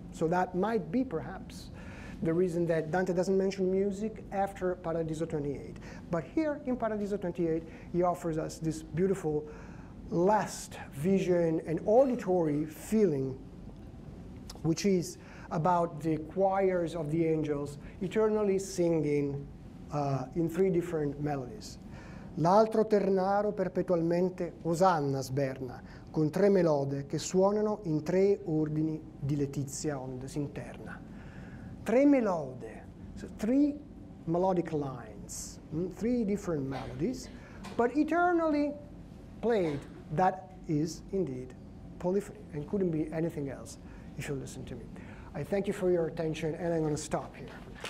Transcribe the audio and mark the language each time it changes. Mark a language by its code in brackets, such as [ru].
[en] So that might be, perhaps, the reason that Dante doesn't mention music after Paradiso 28. But here in Paradiso 28, he offers us this beautiful last vision and auditory feeling, which is about the choirs of the angels eternally singing in three different melodies. [it] L'altro ternaro perpetualmente osanna sberna, con tre melode che suonano in tre ordini di letizia onde s'interna. Tre melode, [en] so three melodic lines, three different melodies, but eternally played, that is indeed polyphony and couldn't be anything else if you listen to me. I thank you for your attention and I'm going to stop here.